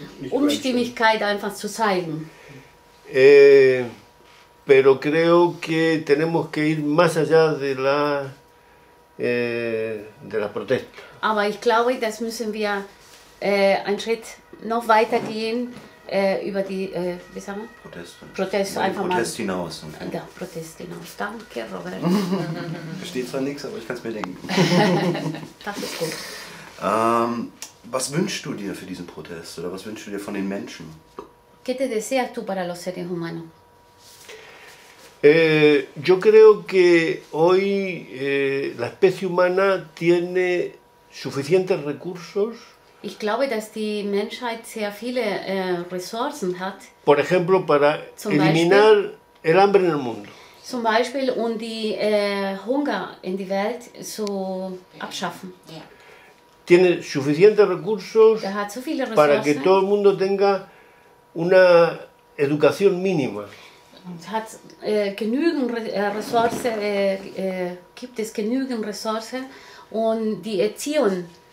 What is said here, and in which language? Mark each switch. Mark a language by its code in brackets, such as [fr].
[de] Unstimmigkeit einfach zu zeigen. [es] Pero creo que tenemos que ir más allá de la protesta. [de] Aber ich glaube, das müssen wir einen Schritt noch weiter gehen. Über die, wie sagen wir? Protest einfach Protest mal. Hinaus. Okay. Ja, Protest hinaus. Danke, Robert. Versteht zwar nichts, aber ich kann es mir denken. Das ist gut. Was wünschst du dir für diesen Protest? Oder was wünschst du dir von den Menschen? [es] ¿Qué te deseas tú para los seres humanos? Yo creo que hoy la especie humana tiene suficientes recursos. [de] Ich glaube, dass die Menschheit sehr viele Ressourcen hat. [es] Por ejemplo, para eliminar el hambre en el mundo. [de] Zum Beispiel, um die Hunger in die Welt zu abschaffen. Ja. [es] Tiene suficientes recursos. [de] Der hat so viele Ressourcen. [es] Para que todo el mundo tenga una educación mínima. [de] Hat genügend Ressourcen. Gibt es genügend Ressourcen, um die Erziehung.